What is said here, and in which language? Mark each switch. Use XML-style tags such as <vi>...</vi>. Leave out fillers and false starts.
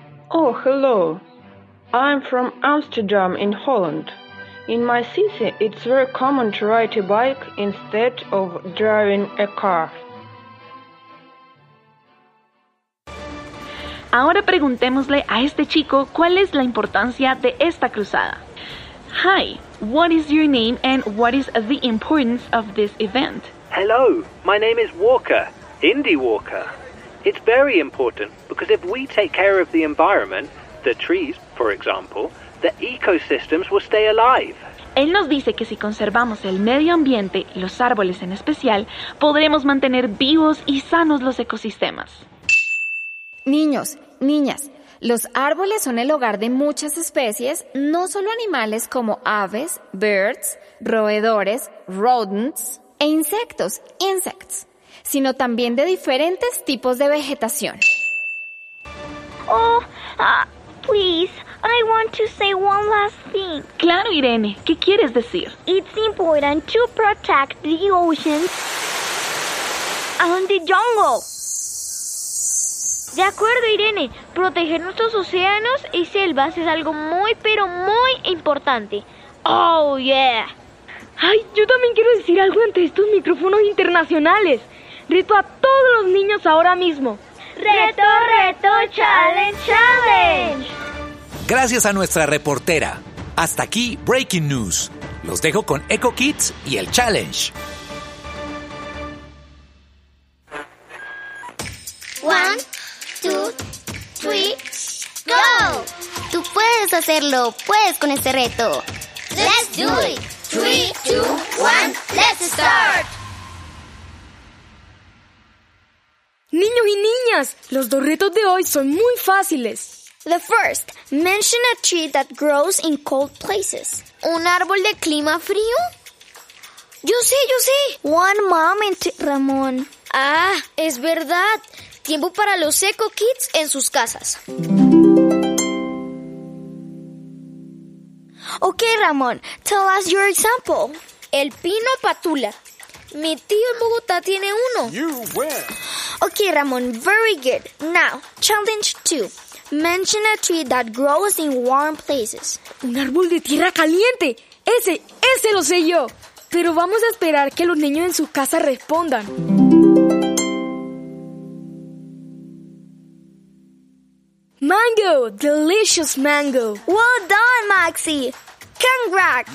<en>Oh, hello. I'm from Amsterdam in Holland. In my city, it's very common to ride a bike instead of driving a car.</en> <es>Ahora preguntémosle a este chico cuál es la importancia de esta cruzada.</es> <en>Hi, what is your name and what is the importance of this event? Hello, my name is Walker, Indy Walker. It's very important because if we take care of the environment, the trees, for example, the ecosystems will stay alive.</en> <es>Él nos dice que si conservamos el medio ambiente, los árboles en especial, podremos mantener vivos y sanos los ecosistemas. Niños, niñas, los árboles son el hogar de muchas especies, no solo animales como aves,</es> <en>birds,</en> <es>roedores,</es> <en>rodents</en> <es>e insectos,</es> <en>insects,</en> <es>sino también de diferentes tipos de vegetación.</es> <en>Oh, please, I want to say one last thing.</en> <es>Claro, Irene, ¿qué quieres decir?</es> <en>It's important to protect the oceans and the jungle.</en> <es>De acuerdo, Irene. Proteger nuestros océanos y selvas es algo muy, pero muy importante.</es> <en>¡Oh, yeah!</en> <es>Ay, yo también quiero decir algo ante estos micrófonos internacionales. Reto a todos los niños ahora mismo. ¡Reto, reto,</es> <en>challenge, challenge!</en> <es>Gracias a nuestra reportera. Hasta aquí Breaking News. Los dejo con Echo Kids y el Challenge.</es> <en>One. Two, three, go!</en> <es>Tú puedes hacerlo, puedes con este reto.</es> <en>Let's do it! 3, 2, 1, let's start!</en> <es>Niños y niñas, los dos retos de hoy son muy fáciles.</es> <en>The first, mention a tree that grows in cold places.</en> <es>¿Un árbol de clima frío? Yo sé.</es> <en>One moment, Ramón.</en> <es>Ah, es verdad. Tiempo para los Echo Kids en sus casas.</es> <en>Ok, Ramón, tell us your example.</en> <es>El pino patula. Mi tío en Bogotá tiene uno.</es> <en>You win. Ok, Ramón, very good. Now, challenge 2. Mention a tree that grows in warm places.</en> <es>Un árbol de tierra caliente. Ese lo sé yo. Pero vamos a esperar que los niños en su casa respondan.</es> <en>Mango, delicious mango. Well done, Maxi. Congrats.</en>